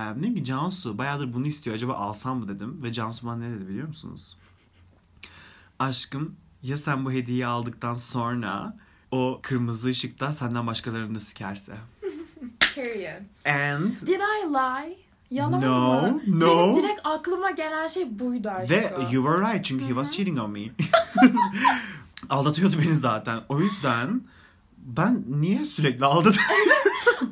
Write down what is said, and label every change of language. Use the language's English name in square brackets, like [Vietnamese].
[Turkish] Dedim ki Cansu bayağıdır bunu istiyor. Acaba alsam mı dedim. Ve Cansu bana ne dedi biliyor musunuz? Aşkım ya sen bu hediyeyi aldıktan sonra... O kırmızı ışıkta senden başkalarını da sikerse. [English] Period. And... Did I lie? [Turkish] Yalan [English] no, [Turkish] mı? [English] No, no. [Turkish] Benim direkt aklıma gelen şey buydu aşkım. [English] Ve you were right çünkü he was cheating on me. [Turkish] Aldatıyordu beni zaten. O yüzden ben niye sürekli aldatıyorum?